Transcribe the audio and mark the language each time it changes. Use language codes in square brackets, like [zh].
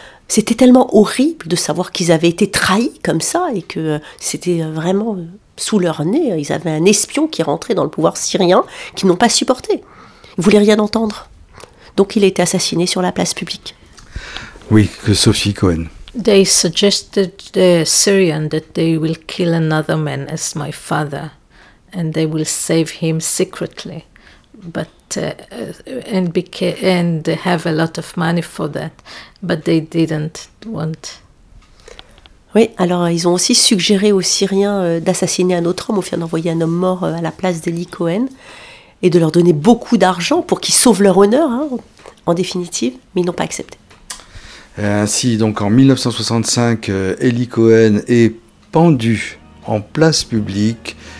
[fr] C'était tellement horrible de savoir qu'ils avaient été trahis comme ça et que c'était vraiment sous leur nez. Ils avaient un espion qui rentrait dans le pouvoir syrien qu'ils n'ont pas supporté. Ils ne voulaient rien entendre. Donc il a été assassiné sur la place publique. Oui, que Sophie Cohen. [en] They suggested the Syrian that they will kill another man as my father and they will save him secretly. And they have a lot of money for that, but they didn't want. [fr] Oui, alors ils ont aussi suggéré aux Syriens d'assassiner un autre homme, ou bien d'envoyer un homme mort à la place d'Eli Cohen, et de leur donner beaucoup d'argent pour qu'ils sauvent leur honneur, en définitive, mais ils n'ont pas accepté. Et ainsi, donc en 1965, Eli Cohen est pendu en place publique.